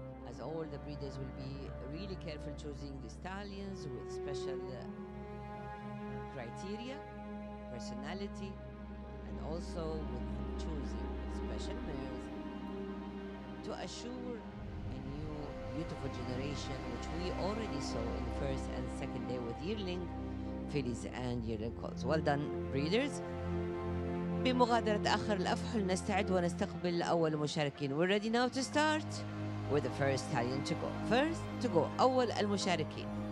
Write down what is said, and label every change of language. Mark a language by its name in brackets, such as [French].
[English] As all the breeders will be really careful choosing the stallions with special criteria, personality, and also with choosing special mares to assure a new beautiful generation, which we already saw in the first and second day with yearling fillies and yearling colts. Well done, breeders. [Arabic] بمغادرة آخر الأفحل نستعد ونستقبل أول مشاركين. [English] We're ready now to start. We're the first stallion to go. First to go, [Arabic] أول المشاركين.